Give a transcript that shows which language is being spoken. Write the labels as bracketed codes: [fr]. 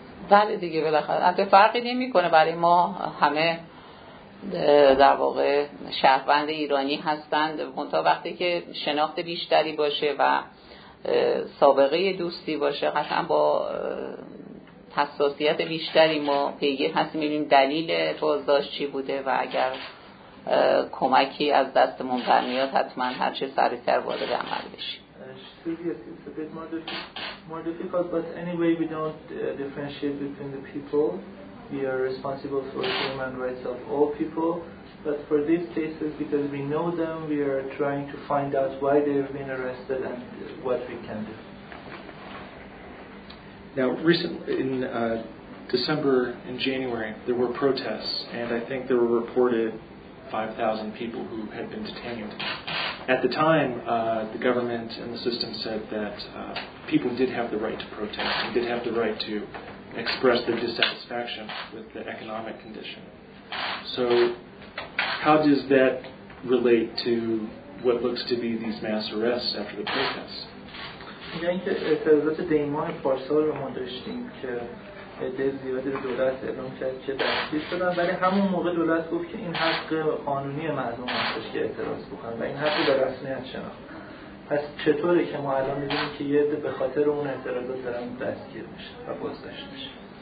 [fa] بله دیگه، بالاخره البته فرقی نمیکنه، برای ما همه در واقع شهروند ایرانی هستند، منتها وقتی که شناخت بیشتری باشه و سابقه دوستی باشه قطعا با حساسیت بیشتری ما پیگیر هستیم، میبینیم دلیل بازداشت چی بوده، و اگر کمکی از دستمون برمیاد حتما هر چه سریعتر وارد عمل بشیم. [en] It's a bit more difficult, but anyway we don't differentiate between the people. We are responsible for human rights of all people, but for these cases, because we know them, we are trying to find out why they have been arrested and what we can do. Now, recently in December and January, there were protests, and I think there were reported 5,000 people who had been detained. At the time, the government and the system said that people did have the right to protest and did have the right to express their dissatisfaction with the economic condition. So how does that relate to what looks to be these mass arrests after the protests? [fa] میگن که اعتراضات دیماه پارسال رو ما داشتیم که عده زیادی رو دولت اعلام کرد که دستگیر شدن، ولی همون موقع دولت گفت که این حق قانونی مردم هستش که اعتراض بکنن و این حق رو به رسمیت شناخت. پس چطوره که ما الان میبینیم که یه عده به خاطر اون اعتراضات دارن دستگیر میشن و بازداشت میشن؟